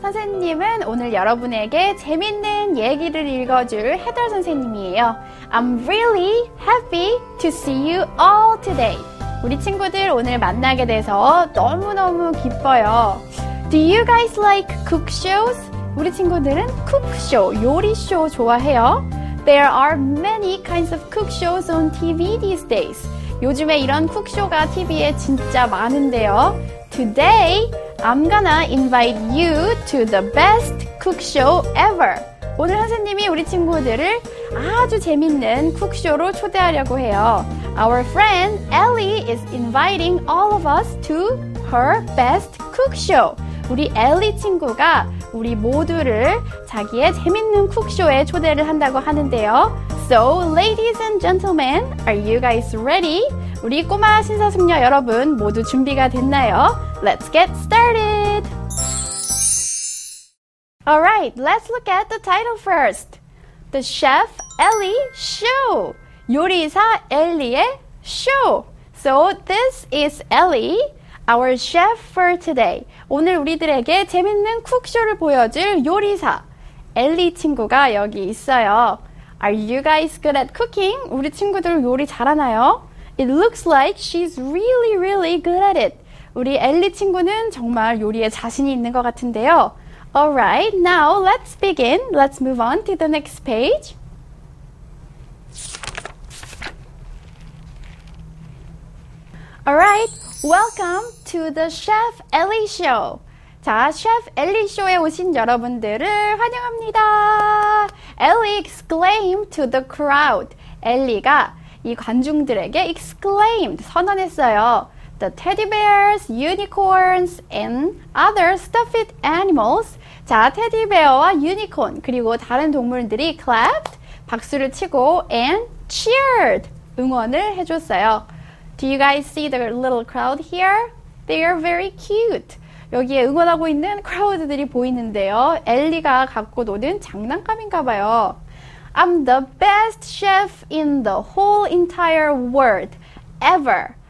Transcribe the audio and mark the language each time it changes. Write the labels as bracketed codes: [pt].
[ko] 선생님은 오늘 여러분에게 재밌는 얘기를 읽어줄 헤더 선생님이에요. [en] I'm really happy to see you all today. [ko] 우리 친구들 오늘 만나게 돼서 너무너무 기뻐요. [en] Do you guys like cook shows? [ko] 우리 친구들은 쿡쇼, 요리쇼 좋아해요. [en] There are many kinds of cook shows on TV these days. [ko] 요즘에 이런 쿡쇼가 TV에 진짜 많은데요. [en] Today, I'm gonna invite you to the best cook show ever. [ko] 오늘 선생님이 우리 친구들을 아주 재밌는 쿡쇼로 초대하려고 해요. [en] Our friend Ellie is inviting all of us to her best cook show. [ko] 우리 엘리 친구가 우리 모두를 자기의 재밌는 쿡쇼에 초대를 한다고 하는데요. [en] So, ladies and gentlemen, are you guys ready? [ko] 우리 꼬마 신사숙녀 여러분 모두 준비가 됐나요? [en] Let's get started! Alright, let's look at the title first. The Chef Ellie Show. [ko] 요리사 엘리의 쇼. [en] So, this is Ellie. Our chef for today. [ko] 오늘 우리들에게 재밌는 쿡쇼를 보여줄 요리사 엘리 친구가 여기 있어요. [en] Are you guys good at cooking? [ko] 우리 친구들 요리 잘하나요? [en] It looks like she's really, really good at it. [ko] 우리 엘리 친구는 정말 요리에 자신이 있는 것 같은데요. [en] Alright, now let's begin. Let's move on to the next page. Alright, welcome to the Chef Ellie Show. [ko] 자, Chef Ellie Show에 오신 여러분들을 환영합니다. [en] Ellie exclaimed to the crowd. [ko] Ellie가 이 관중들에게 [en] exclaimed, [ko] 선언했어요. [en] The teddy bears, unicorns, and other stuffed animals. [ko] 자, 테디베어와 유니콘, 그리고 다른 동물들이 clapped, 박수를 치고, [en] and cheered, [ko] 응원을 해줬어요. [en] Do you guys see the little crowd here? They are very cute. [ko] 여기에 응원하고 있는 크라우드들이 보이는데요. 엘리가 갖고 노는 장난감인가봐요. [en] I'm the best chef in the whole entire world ever.